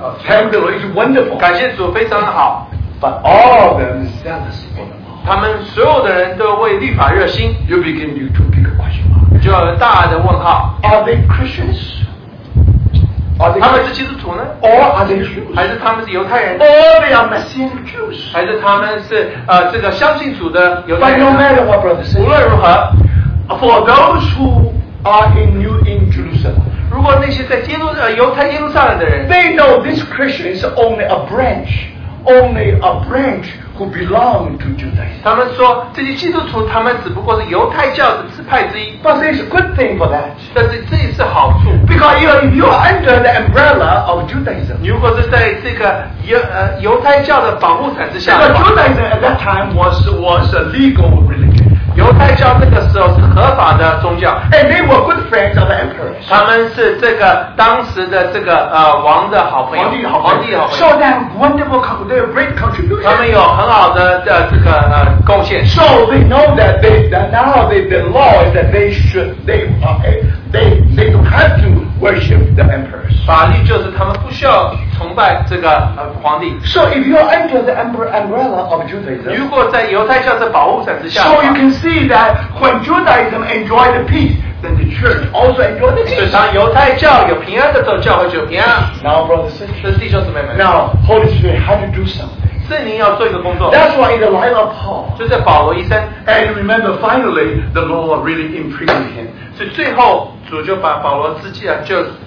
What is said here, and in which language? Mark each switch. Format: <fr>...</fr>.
<zh>我们有一万人相信主，几万人，几万人，哦，感谢主，非常的好。</zh> <en>But all of them is zealous for the Lord.</en> <zh>他们所有的人都为律法热心。</zh> <en>You begin to pick a question mark.</en> <zh>就要有大的问号。</zh> <en>Are they Christians?</en> <zh>他们是基督徒呢?</zh> <en>Or are they Jews?</en> <zh>还是他们是犹太人?</zh> <en>Or they are Messianic Jews?</en> <zh>还是他们是这个相信主的犹太人?</zh> <en>But no matter what, brothers,</en> <zh>无论如何,</zh> <en>for those who are in Jerusalem.</en> <zh>如果那些在犹太耶路撒冷的人,</zh> <en>they know this Christian is only a branch who belong to Judaism.</en> <zh>他们说这些基督徒, 他们只不过是犹太教的支派之一,</zh> <en>but there's a good thing for that.</en> <zh>但是这也是好处,</zh> <en>because if you are under the umbrella of Judaism,</en> <zh>如果是在这个, 犹太教的保护伞之下,</zh> <en>the Judaism at that time was a legal religion.</en> <zh>犹太教那个时候是合法的宗教</zh> <en>And they were good friends of the emperors</en> <zh>他们是这个当时的这个 王的好朋友皇帝好朋友</zh> <en>So they have wonderful They have great contributions</en> <zh>他们有很好的这个 贡献</zh> <en>So they know that they that Now they, the law is that they should They don't have to worship the emperors</en> <zh>法律就是他们不需要 崇拜这个, 皇帝,</zh> <en>so if you are under the umbrella of Judaism,</en> <zh>如果在犹太教这保护伞之下,</zh> <en>so you can see that when Judaism enjoyed the peace, then the church also enjoyed the peace.</en> <zh>所以当犹太教有平安的时候, 教会就有平安。</zh> <en>Now, brothers and sisters,</en> <zh>这是弟兄姊妹们,</zh> <en>now, Holy Spirit had to do something.</en> <zh>圣灵要做一个工作,</zh> <en>That's why in the life of Paul,</en> <zh>就是保罗一生,</zh> <en>and remember, finally, the Lord really imprisoned him.</en> <zh>所以最后主就把保罗自己就,</zh>